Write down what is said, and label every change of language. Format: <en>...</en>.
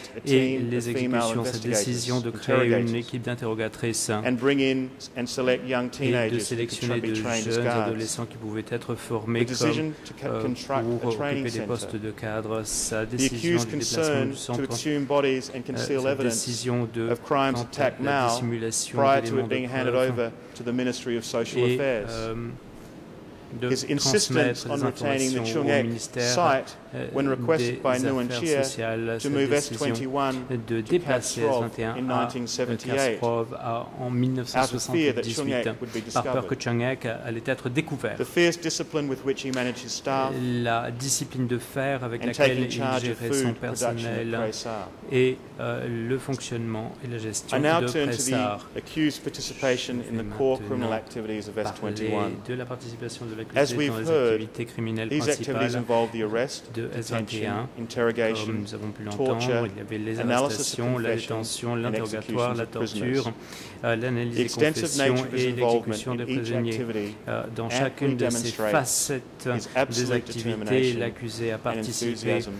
<fr>et les exécutions, sa décision de créer une équipe d'interrogatrices et de sélectionner de jeunes adolescents qui pouvaient être formés pour occuper des postes de cadre, sa décision du déplacement du centre, sa décision de tenter la dissimulation d'éléments de preuve et</fr> <en>his insistence on retaining the Chung-ek site when requested by Nguyen Chia to move S21 to Kastrov in 1978 out of fear that Chung-ek would be discovered. The fierce discipline with which he managed his staff</en> <fr>la discipline de fer avec laquelle il gérait son personnel et le fonctionnement et la gestion de Presar.</fr> <en>I now turn to the accused participation in the core criminal activities of S21.</en> <fr>De la participation de l'accusé dans les activités criminelles principales de S21, comme nous avons pu l'entendre, il y avait les arrestations, la détention, l'interrogatoire, la torture, l'analyse des confessions et l'exécution des prisonniers. Dans chacune de ces facettes des activités, l'accusé a participé.</fr>